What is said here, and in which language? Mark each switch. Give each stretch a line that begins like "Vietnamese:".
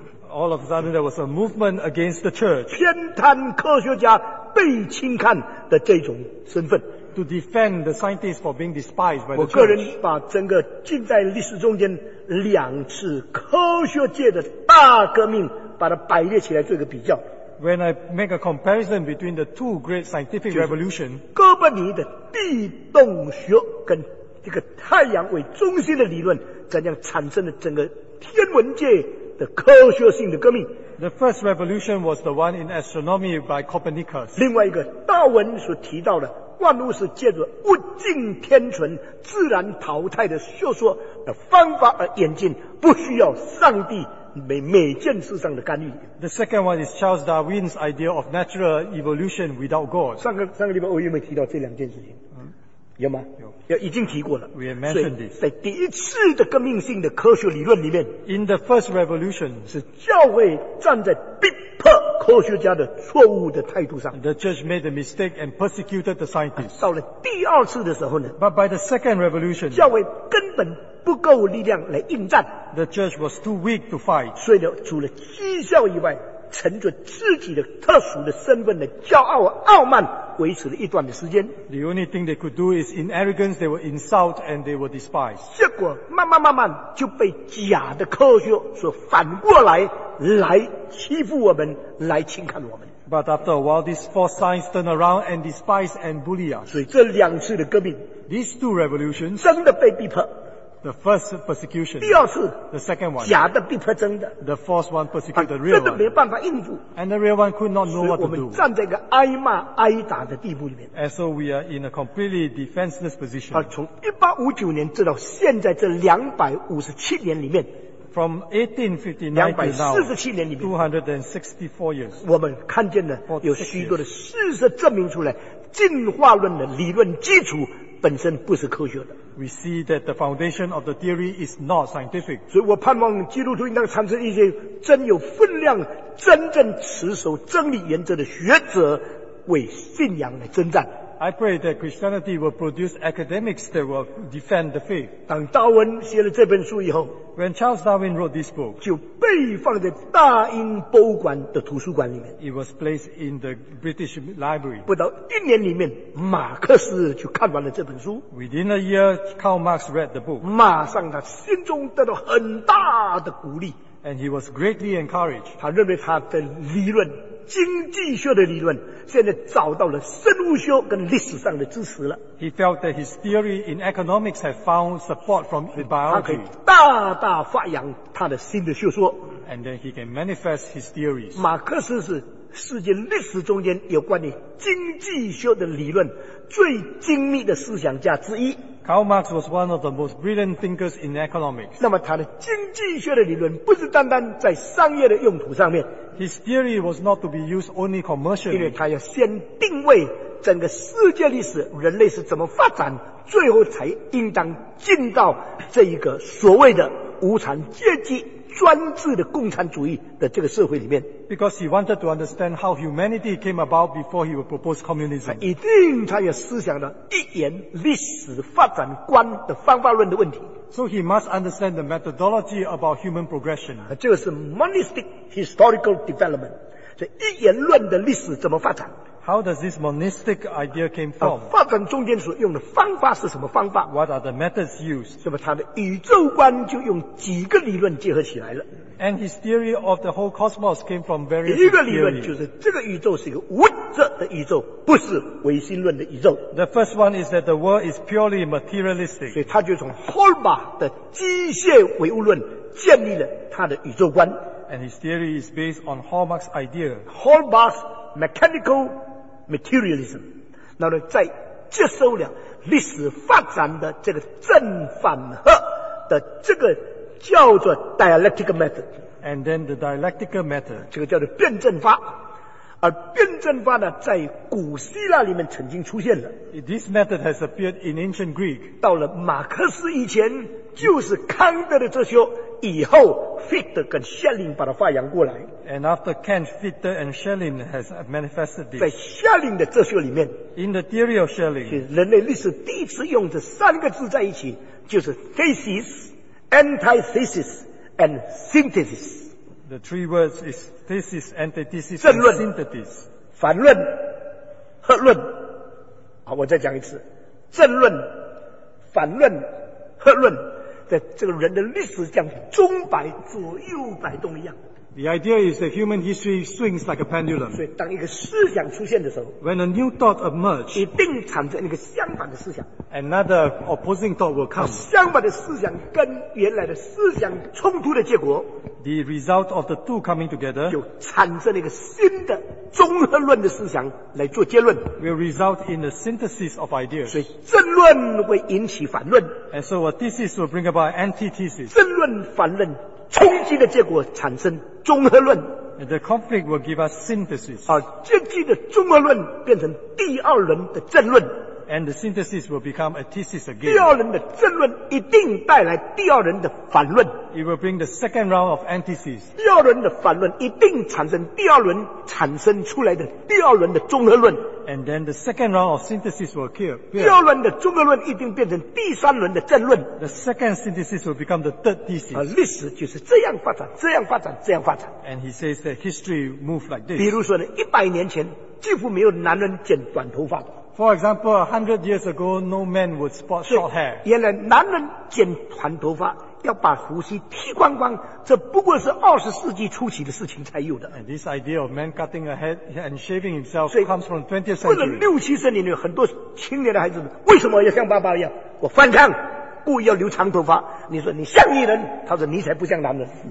English: All of a sudden, there was a movement against the church.
Chinese: 偏袒科学家被轻看的这种身份。
English: To defend the scientists for being despised by the church.
Chinese: 我个人把整个近代历史中间两次科学界的大革命，把它摆列起来做一个比较。
English: When I make a comparison between the two great scientific revolutions,
Chinese: 哥白尼的地动学跟这个太阳为中心的理论，怎样产生了整个天文界。的科学性的革命。
English: The first revolution was the one in astronomy by Copernicus.
Chinese: 另外一个道文所提到的万物是借着物竞天存自然淘汰的学说的方法而演进，不需要上帝每件事上的干预。
English: The second one is Charles Darwin's idea of natural evolution without God.
Chinese: 上个礼拜我有没有提到这两件事情？有吗？有，已经提过了。
English: We have mentioned this.
Chinese: 在第一次的革命性的科学理论里面
English: ，In the first revolution，
Chinese: 是教会站在逼迫科学家的错误的态度上。
English: The church made a mistake and persecuted the scientists.、
Chinese: 到了第二次的时候呢
English: ？But by the second revolution，
Chinese: 教会根本不够力量来应战。
English: The church was too weak to fight.
Chinese: 所以呢，除了讥笑以外，乘着自己的特殊的身份的骄傲傲慢。维持了一段的时间。
English: The only thing they could do is in arrogance they were insult and they were despised.
Chinese: 结果慢慢就被假的科学所反过来欺负我们，来轻看我们。
English: But after a while, these false signs turn around and despise and bully us.
Chinese: 所以这两次的革命
English: ，these two revolutions，
Chinese: 真的被逼迫。
English: The first persecution.
Chinese: 第二次
English: ，the second one，
Chinese: 假的逼迫真的。
English: The false one persecuted the real one.
Chinese: 真的没办法应付。
English: And the real one could not know what to do.
Chinese: 所以我们站在一个挨骂挨打的地步里面。
English: And so we are in a completely defenseless position.
Chinese: 从1859年直到现在这257年里面
English: ，from 1859 to now，
Chinese: 247年里面
English: ，264 years，
Chinese: 我们看见了有许多的事实证明出来，进化论的理论基础本身不是科学的。
English: We see that the foundation of the theory is not scientific.
Chinese: 所以我盼望基督徒应当产生一些真有分量、真正持守真理原则的学者，为信仰来征战。
English: I pray that Christianity will produce academics that will defend the faith.
Chinese: 当达文写了这本书以后
English: ，When Charles Darwin wrote this book，
Chinese: 就被放在大英博物馆的图书馆里面。
English: It was placed in the British Library.
Chinese: 不到一年里面，马克思就看完了这本书。
English: Within a year, Karl Marx read the book.
Chinese: 马上他心中得到很大的鼓励。
English: And he was greatly encouraged.
Chinese: 他认为他的理论。经济学的理论现在找到了生物学跟历史上的支持了。
English: He felt that his theory in economics had found support from biology.
Chinese: 他可以大大发扬他的新的学说。
English: And then he can manifest his theories.
Chinese: 马克思是世界历史中间有关于经济学的理论最精密的思想家之一。
English: Karl Marx was one of the most brilliant thinkers in economics.
Chinese: 那么他的经济学的理论不是单单在商业的用途上面。
English: His theory was not to be used only commercially.
Chinese: 因为他要先定位整个世界历史，人类是怎么发展，最后才应当进到这一个所谓的无产阶级专制的共产主义的这个社会里面。
English: Because he wanted to understand how humanity came about before he would propose communism.
Chinese: 一定他也思想了一言历史发展观的方法论的问题。
English: So he must understand the methodology about human progression.
Chinese: 这个是
English: monistic historical development.
Chinese: 这一言论的历史怎么发展？
English: How does this monistic idea came from?
Chinese: 发展中间所用的方法是什么方法？
English: What are the methods used?
Chinese: 那么他的宇宙观就用几个理论结合起来了。
English: And his theory of the whole cosmos came from various theories.
Chinese: 第一个理论就是这个宇宙是一个物质的宇宙，不是唯心论的宇宙。
English: The first one is that the world is purely materialistic.
Chinese: 所以他就从霍尔巴的机械唯物论建立了他的宇宙观。
English: And his theory is based on Hallmark's idea. Hallmark's mechanical materialism，
Chinese: 那么在接受了历史发展的这个正反合的这个叫做
English: dialectical method， and then the dialectical method，
Chinese: 这个叫做辩证法，而辩证法呢，在古希腊里面曾经出现了。
English: This method has appeared in ancient Greek。
Chinese: 到了马克思以前，就是康德的哲学。以后 Fichte 跟 Schelling 把它发扬过来。
English: And after Kant, Fichte and Schelling has manifested this.
Chinese: 在 Schelling 的哲学里面，
English: In the theory of Schelling，
Chinese: 人类历史第一次用这三个字在一起，就是
English: thesis, antithesis and synthesis。 The three words is thesis, antithesis and synthesis。
Chinese: 反论、合论。好，我再讲一次，正论、反论、合论，这个人的历史像钟摆左右摆动一样。
English: The idea is that human history swings like a pendulum.
Chinese: 所以当一个思想出现的时候，
English: When a new thought emerges，
Chinese: 一定产生一个相反的思想。
English: Another opposing thought will come.
Chinese: 相反的思想跟原来的思想冲突的结果，
English: The result of the two coming together，
Chinese: 就产生了一个新的综合论的思想来做结论，
English: Will result in a synthesis of ideas.
Chinese: 所以正论会引起反论，
English: And so a thesis will bring about antithesis.
Chinese: 正论反论冲击的结果产生综合论。
English: And the conflict will give us synthesis.
Chinese: 而积极的综合论变成第二轮的争论。
English: And the synthesis will become a thesis again.
Chinese: 第二轮的争论一定带来第二轮的反论。
English: It will bring the second round of antithesis.
Chinese: 第二轮的反论一定产生第二轮产生出来的第二轮的综合论。
English: And then the second round of synthesis will appear.
Chinese: 第二轮的综合论一定变成第三轮的争论。
English: The second synthesis will become the third thesis.
Chinese: 而历史就是这样发展，这样发展，这样发展。
English: And he says that history moves like this.
Chinese: 比如说呢，一百年前几乎没有男人剪短头发的。
English: For example, 100 years ago, no man would sport short hair.
Chinese: 原来男人剪短头发要把胡须剃光光，这不过是20世纪初期的事情才有的。
English: And this idea of man cutting a head and shaving himself comes from 20th century.
Chinese: 为了六七十年里，很多青年的孩子为什么要像爸爸一样？我反抗，故意要留长头发。你说你像女人，他说你才不像男人。